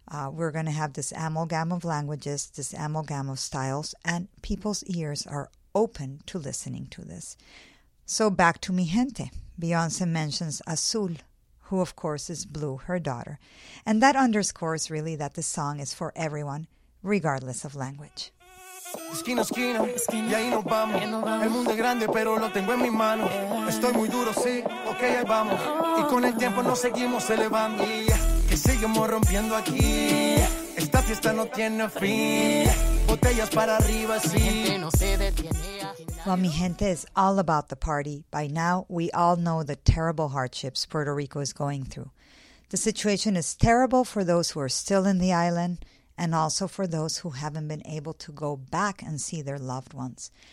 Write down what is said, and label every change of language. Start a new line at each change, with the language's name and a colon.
English: We're going to have this amalgam of languages, this amalgam of styles, and people's ears are open to listening to this. So back to Mi Gente. Beyonce mentions Azul, who of course is Blue, her daughter. And that underscores really that this song is for everyone, regardless of language.
Spanish: Esquina, esquina, esquina, y ahí nos vamos. El mundo es grande, pero lo tengo en mis manos. Estoy muy duro, sí, ok, ahí vamos. Y con el tiempo nos seguimos elevando. Que seguimos rompiendo aquí. Esta fiesta no tiene fin. Botellas para arriba, sí.
English: While Mi Gente is all about the party, by now we all know the terrible hardships Puerto Rico is going through. The situation is terrible for those who are still in the island, and also for those who haven't been able to go back and see their loved ones.